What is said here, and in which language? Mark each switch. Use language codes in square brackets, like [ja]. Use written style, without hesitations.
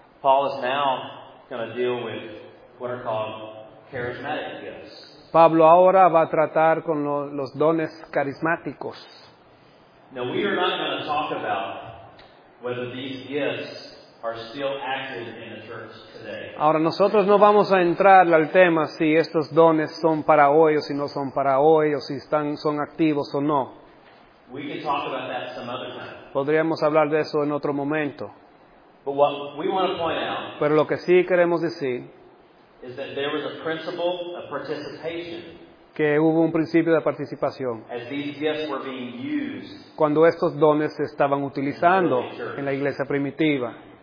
[en] Paul is now going to deal with what are called charismatic gifts. [es] Pablo ahora va a tratar con los dones carismáticos. [en] Now we are not going to talk about whether these gifts are still active in the church today. [es] Ahora nosotros no vamos a entrar al tema si estos dones son para hoy o si no son para hoy o si están son activos o no. [en] We can talk about that some other time. [es] Podríamos hablar de eso en otro momento. [en] But what we want to point out. [es] Pero lo que sí queremos decir [en] is that there was a principle of participation. [es] Que hubo un principio de participación. [en] As these gifts were being used. [es] Cuando estos dones se estaban utilizando en la iglesia primitiva.